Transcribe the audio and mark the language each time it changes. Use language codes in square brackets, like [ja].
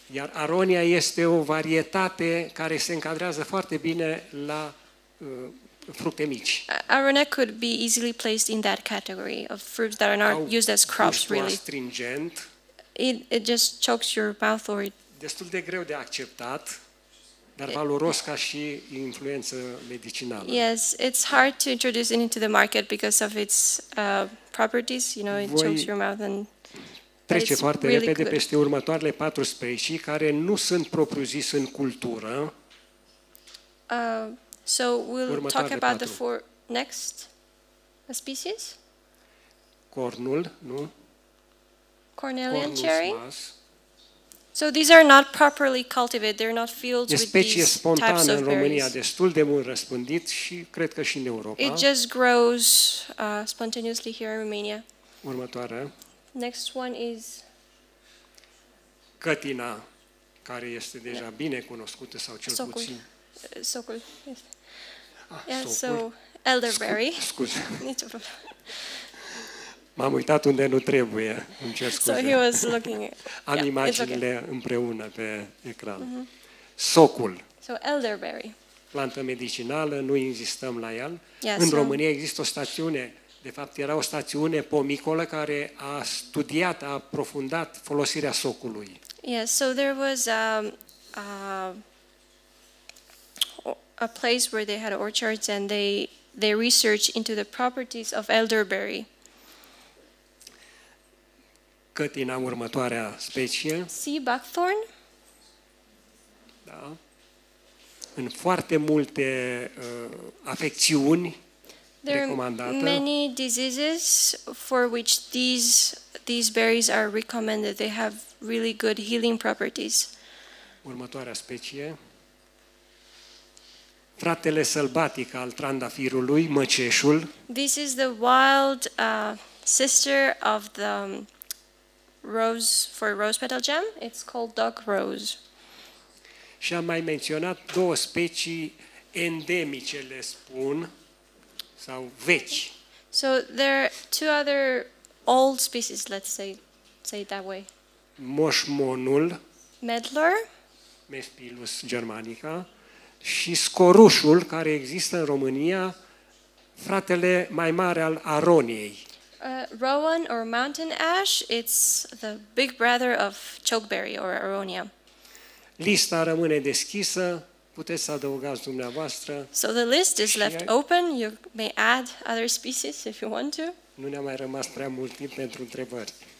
[ro] Iar aronia este o varietate care se încadrează foarte bine la fructe mici. [en] Aronia could be easily placed in that category of fruits that are not used as crops really. Astringent. It just chokes your mouth or it. [ro] Destul de greu de acceptat, dar valoros ca și influență medicinală. [en] Yes, it's hard to introduce it into the market because of its properties, you know, it chokes your mouth and [ro] trece foarte [en] really [ro] repede [en] good. [ro] Peste următoarele patru specii care nu sunt propriu-zis în cultură. [en] So we'll talk about the four next species. [ro] Cornul, nu? [en] Cornelian cherry. So these are not properly cultivated. They're not fields with these types of berries. [ro] E specie spontană în România, destul de mult răspândit și cred că și în Europa. [en] It just grows spontaneously here in Romania. [ro] Următoarea. [en] Next one is [ro] cătina, care este deja bine cunoscută sau cel socul. Puțin. [en] Socul. Yeah, so elderberry. [ro] Scuze. M-am uitat unde nu trebuie. Îmi cer scuze. [en] So he was looking at. [ro] Am imaginile împreună pe ecran. Mm-hmm. Socul. [en] So elderberry. [ro] Plantă medicinală, nu insistăm la el. [en] Yeah, [ro] în România există o stațiune. De fapt, era o stațiune pomicolă care a studiat, a aprofundat folosirea socului. [en] Yes, so there was a place where they had orchards and they researched into the properties of elderberry. [ro] Cătina, următoarea specie. [en] Sea buckthorn. [ro] Da. În foarte multe afecțiuni. [en] There are many diseases for which these berries are recommended. They have really good healing properties. [ro] Următoarea specie. Fratele sălbatic al trandafirului, măceșul. [en] This is the wild sister of the rose for rose petal jam. It's called dog rose. [ro] Și am mai menționat două specii endemice, le spun. Sau veci. [en] So there are two other old species, let's say it that way. [ro] Moșmonul. [en] Medlar. [la] Mespilus germanica. [ro] Și scorușul, care există în România, fratele mai mare al aroniei. [en] Rowan or mountain ash, it's the big brother of chokeberry or aronia. [ro] Lista rămâne deschisă. Puteți să adăugați dumneavoastră. [en] So the list is left open. You may add other species if you want to. [ro] Nu ne-a mai rămas prea mult timp pentru întrebări.